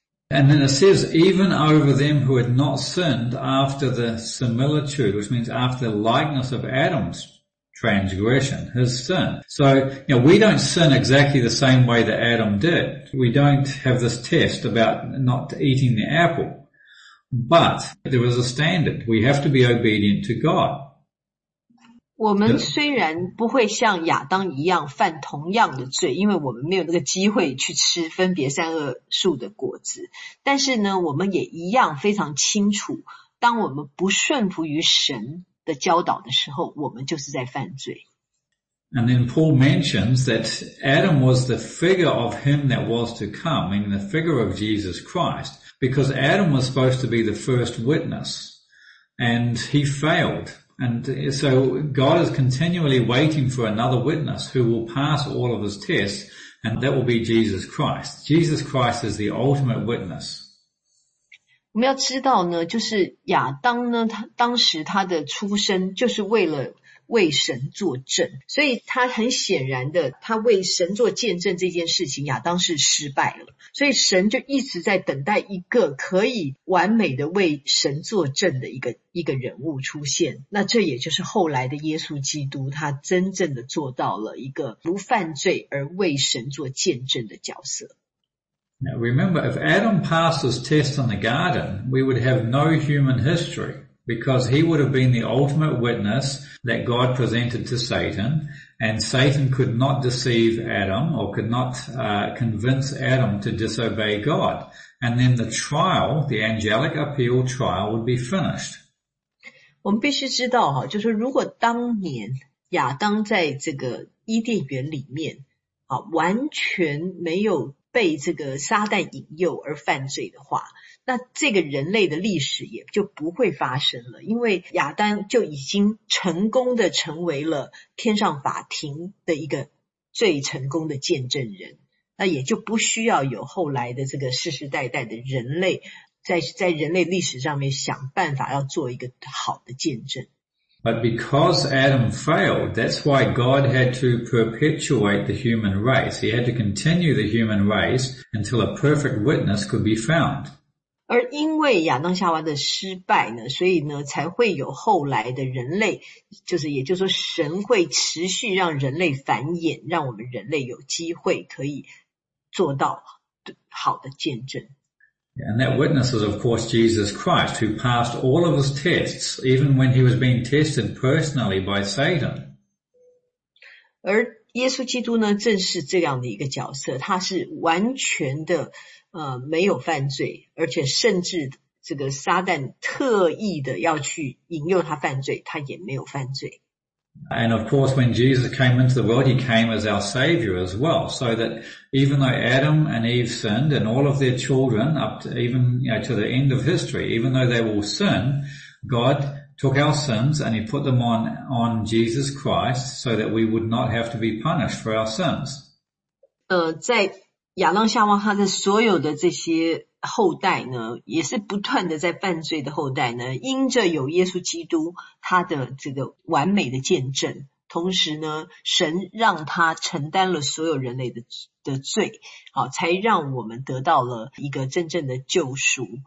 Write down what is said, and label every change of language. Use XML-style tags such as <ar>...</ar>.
<en>And then it says, even over them who had not sinned after the similitude, which means after the likeness of Adam's. Transgression, his sin. So, you know, we don't sin exactly the same way that Adam did. We don't have this test about not eating the apple. But there is a standard. We have to be obedient to God.</en> <zh>我们虽然不会像亚当一样犯同样的罪，因为我们没有那个机会去吃分别善恶树的果子。但是呢，我们也一样非常清楚，当我们不顺服于神的教导的时候，我们就是在犯罪。</zh> <en>And then Paul mentions that Adam was the figure of him that was to come, meaning the figure of Jesus Christ. Because Adam was supposed to be the first witness and he failed. And so God is continually waiting for another witness who will pass all of his tests, and that will be Jesus Christ. Jesus Christ is the ultimate witness.</en> <zh>我们要知道呢，就是亚当呢，他当时他的出生就是为了为神作证，所以他很显然的，他为神做见证这件事情，亚当是失败了，所以神就一直在等待一个可以完美的为神作证的一个人物出现，那这也就是后来的耶稣基督，他真正的做到了一个不犯罪而为神做见证的角色。</zh> <en>Now remember, if Adam passed his test in the garden, we would have no human history because he would have been the ultimate witness that God presented to Satan, and Satan could not deceive Adam or could not convince Adam to disobey God. And then the trial, the angelic appeal trial, would be finished.</en> <zh>我们必须知道，就是如果当年亚当在这个伊甸园里面，完全没有被这个撒旦引诱而犯罪的话，那这个人类的历史也就不会发生了，因为亚当就已经成功的成为了天上法庭的一个最成功的见证人，那也就不需要有后来的这个世世代代的人类在人类历史上面想办法要做一个好的见证。</zh> <en>But because Adam failed, that's why God had to perpetuate the human race. He had to continue the human race until a perfect witness could be found.</en> <zh>而因为亚当夏娃的失败呢，所以呢，才会有后来的人类，就是也就是说，神会持续让人类繁衍，让我们人类有机会可以做到好的见证。</zh> <en>And that witness is, of course, Jesus Christ, who passed all of his tests, even when he was being tested personally by Satan.</en> <zh>而耶稣基督呢，正是这样的一个角色，他是完全的，没有犯罪，而且甚至这个撒旦特意的要去引诱他犯罪，他也没有犯罪。</zh> <en>And of course, when Jesus came into the world, he came as our Savior as well. So that even though Adam and Eve sinned and all of their children up to even, you know, to the end of history, even though they will sin, God took our sins and he put them on Jesus Christ so that we would not have to be punished for our sins.</en> <zh>在亚当夏娃他的所有的这些后代呢，也是不断的在犯罪的后代呢，因着有耶稣基督他的这个完美的见证，同时呢，神让他承担了所有人类的罪，好，才让我们得到了一个真正的救赎。</zh>